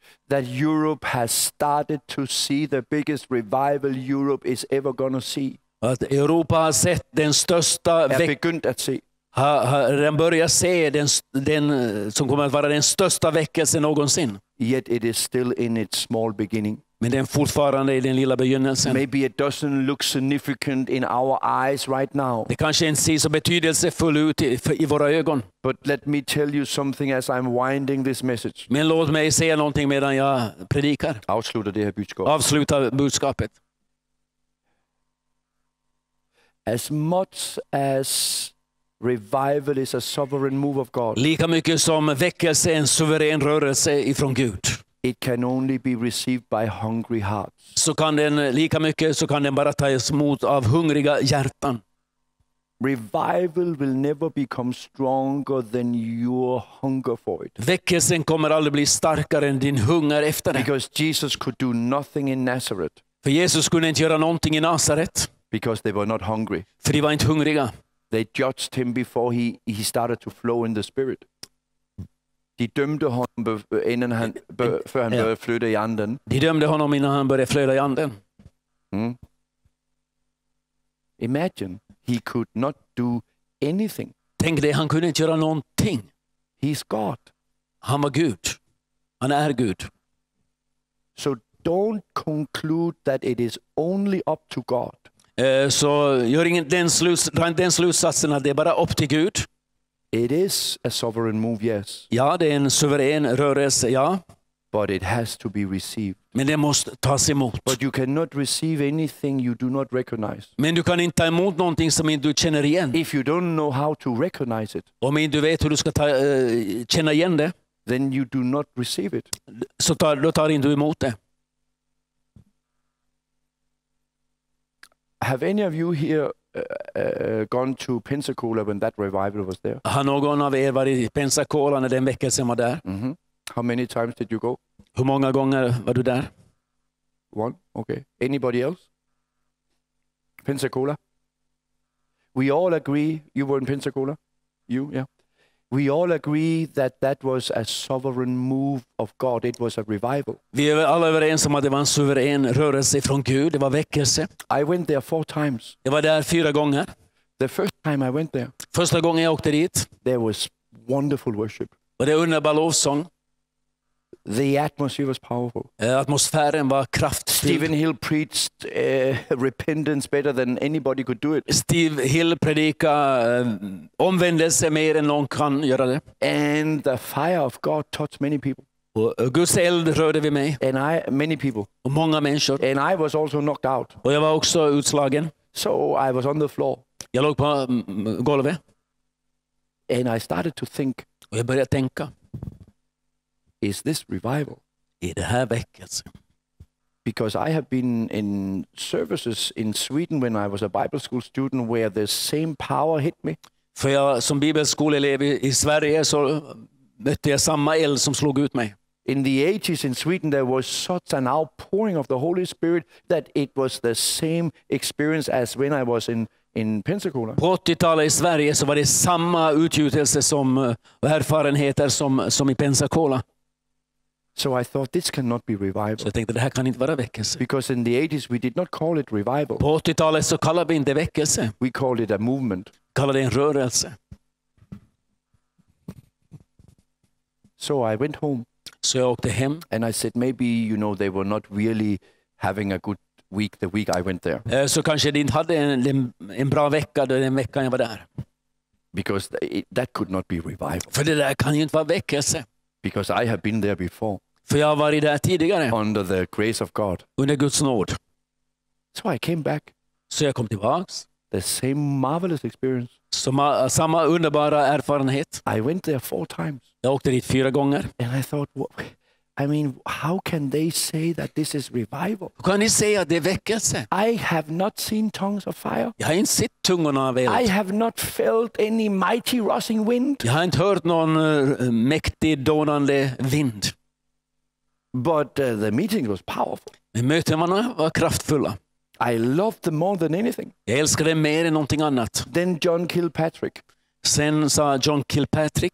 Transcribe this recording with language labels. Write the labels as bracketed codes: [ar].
[en] That Europe has started to see the biggest revival Europe is ever going to see. [sv] Att Europa har sett den största väckelsen. Den börjar se den som kommer att vara den största väckelsen någonsin. [en] Yet it is still in its small beginning. [sv] Men den fortfarande i den lilla begynnelsen. [en] Maybe it doesn't look significant in our eyes right now. [sv] Det kanske inte ser så betydelsefull ut i våra ögon. [en] But let me tell you something as I'm winding this message. [sv] Men låt mig säga någonting medan jag predikar. Avsluta det här budskapet. Avsluta budskapet. [en] As much as revival is a sovereign move of God. [sv] Lika mycket som väckelse är en suverän rörelse ifrån Gud. [en] It can only be received by hungry hearts. [sv] Så kan den lika mycket så kan den bara tas emot av hungriga hjärtan. [en] Revival will never become stronger than your hunger for it. [sv] Väckelsen kommer aldrig bli starkare än din hunger efter det. [en] Because Jesus could do nothing in Nazareth. [sv] För Jesus kunde inte göra någonting i Nazaret. [en] Because they were not hungry. [sv] För de var inte hungriga. [en] They judged him before he started to flow in the spirit. [sv] De dömde honom innan han för han började flöda i anden. De dömde honom innan han började flöda i anden. [en] Imagine he could not do anything. [sv] Tänk dig, han kunde inte göra någonting. [en] He's God. [sv] Han var Gud. Han är Gud. [en] So don't conclude that it is only up to God. [sv] Så gör ingen den slutsatsen att det är bara upp till Gud. [en] It is a sovereign move, yes. [sv] Ja, det är en suverän rörelse, ja. [en] But it has to be received. [sv] Men det måste tas emot. [en] But you cannot receive anything you do not recognize. [sv] Men du kan inte ta emot någonting som du känner igen. [en] If you don't know how to recognize it. [sv] Om du vet hur du ska känna igen det. [en] Then you do not receive it. [sv] Så tar du inte emot det. [en] Have any of you here gone to Pensacola when that revival was there? [sv] Har någon av er varit i Pensacola när den väckelsen var där? [en] How many times did you go? [sv] Hur många gånger var du där? [en] One. Okay. Anybody else? Pensacola. We all agree you were in Pensacola. You, yeah. We all agree that that was a sovereign move of God. It was a revival. [sv] Vi är alla överens om att det var en suverän rörelse från Gud. Det var väckelse. [en] I went there 4 times. [sv] Jag var där 4 gånger. [en] The first time I went there. [sv] Första gången jag åkte dit. [en] There was wonderful worship. [sv] Var det underbar lovsång. [en] The atmosphere was powerful. [sv] Atmosfären var kraftfull. [en] Stephen Hill preached repentance better than anybody could do it. [sv] Steve Hill predika omvändelse mer än någon kan göra det. [en] And the fire of God touched many people. [sv] Och Guds eld rörde vid mig. [en] And I many people. [sv] Och många människor. [en] And I was also knocked out. [sv] Och jag var också utslagen. [en] So I was on the floor. [sv] Jag låg på golvet. [en] And I started to think. [sv] Och jag började tänka. [en] Is this revival? [sv] Är det här väckelse? [en] Because I have been in services in Sweden when I was a Bible school student where the same power hit me. [sv] För jag som bibelskoleelev i Sverige så mötte jag samma eld som slog ut mig. [en] In the 80s in Sweden there was such an outpouring of the Holy Spirit that it was the same experience as when I was in Pensacola. [sv] På 80-talet i Sverige så var det samma utgjutelse som erfarenheter som i Pensacola. [en] So I thought this cannot be revival. [sv] Så jag tänkte det här kan inte vara väckelse. [en] Because in the 80s we did not call it revival. [sv] På 80-talet så kallade vi inte väckelse. [en] We called it a movement. [sv] Kallade det en rörelse. [en] So I went home. [sv] Så jag åkte hem. [en] And I said maybe you know they were not really having a good week the week I went there. [sv] Så kanske de inte hade en bra vecka den veckan jag var där. [en] Because that could not be revival. [sv] För det där kan ju inte vara väckelse. [en] Because I have been there before. [sv] För jag har varit där tidigare. [en] Under the grace of God. [sv] Under Guds nåd. [en] So I came back. [sv] Så jag kom tillbaks. [en] The same marvelous experience. [sv] Samma underbara erfarenhet. [en] I went there 4 times. [sv] Jag åkte dit 4 gånger. [en] And I thought, I mean, how can they say that this is revival? [sv] Kan ni säga att det är väckelse? [en] I have not seen tongues of fire. [sv] Jag har inte sett tungorna av eld. [en] I have not felt any mighty rushing wind. [sv] Jag har inte hört någon mäktig donande vind. [en] But the meeting was powerful. [sv] Mötena var kraftfulla. [en] I loved them more than anything. [sv] Jag älskade mer än någonting annat. [en] Then John Kilpatrick. [sv] Sen sa John Kilpatrick,